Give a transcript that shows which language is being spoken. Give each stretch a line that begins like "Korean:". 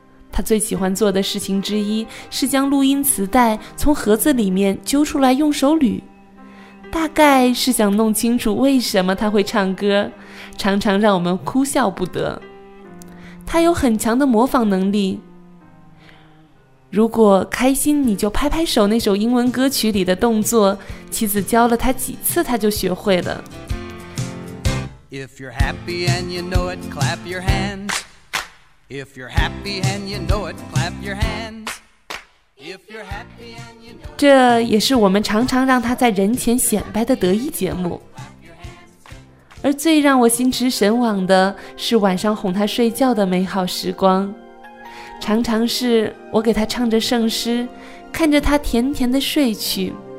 Chinese: 他最喜欢做的事情之一是将录音磁带从盒子里面揪出来用手捋，大概是想弄清楚为什么他会唱歌，常常让我们哭笑不得。他有很强的模仿能力，如果开心你就拍拍手那首英文歌曲里的动作，妻子教了他几次他就学会了。
English: If you're happy and you know it, clap your handsIf you're happy and you know it, clap your hands. If you're happy and you know it,
Chinese: 这也是我们常常让他在人前显摆的得意节目。而最让我心驰神往的是晚上哄他睡觉的美好时光。常常是我给他唱着圣诗，看着他甜甜的睡去。